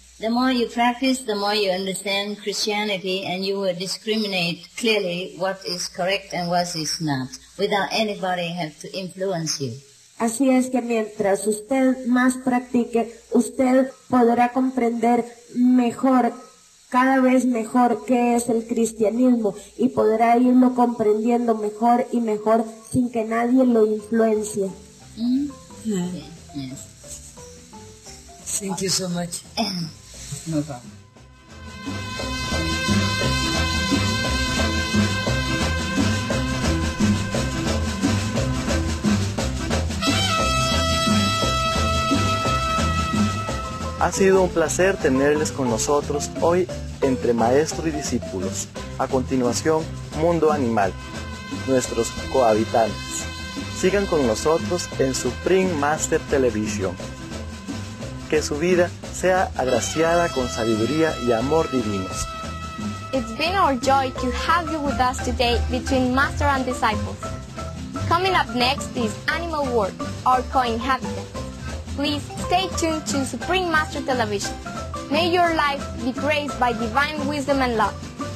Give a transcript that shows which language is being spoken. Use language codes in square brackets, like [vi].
[en] The more you practice, the more you understand Christianity, and you will discriminate clearly what is correct and what is not, without anybody have to influence you. [es] Así es que mientras usted más practique, usted podrá comprender mejor, cada vez mejor, qué es el cristianismo y podrá irlo comprendiendo mejor y mejor sin que nadie lo influencie. [en] Thank you so much. No problem. [es] Ha sido un placer tenerles con nosotros hoy entre maestro y discípulos. A continuación, Mundo Animal, nuestros cohabitantes. Sigan con nosotros en Supreme Master Television. Que su vida sea agraciada con sabiduría y amor divinos. [en] It's been our joy to have you with us today between Master and Disciples. Coming up next is Animal World, our co-inhabitant. Please stay tuned to Supreme Master Television. May your life be graced by divine wisdom and love.